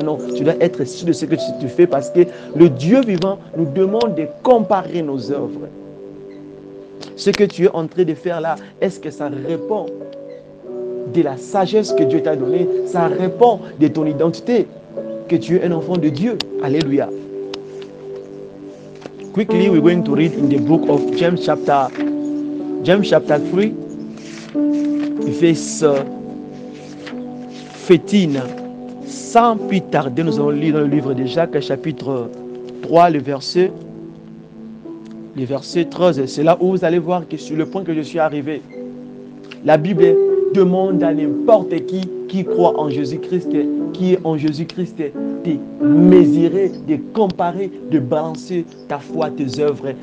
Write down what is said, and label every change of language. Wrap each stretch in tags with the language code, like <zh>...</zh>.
<fr>Non, tu dois être sûr de ce que tu fais parce que le Dieu vivant nous demande de comparer nos œuvres. Ce que tu es en train de faire là, est-ce que ça répond de la sagesse que Dieu t'a donnée? Ça répond de ton identité, que tu es un enfant de Dieu. Alléluia.</fr> <en>Quickly, we're going to read in the book of James chapter 3, verse 15.</en> <fr>Sans plus tarder, nous allons lire dans le livre de Jacques, chapitre 3, le verset 13. C'est là où vous allez voir que sur le point que je suis arrivé, la Bible demande à n'importe qui croit en Jésus-Christ, qui est en Jésus-Christ, de mesurer, de comparer, de balancer ta foi, tes œuvres.</fr>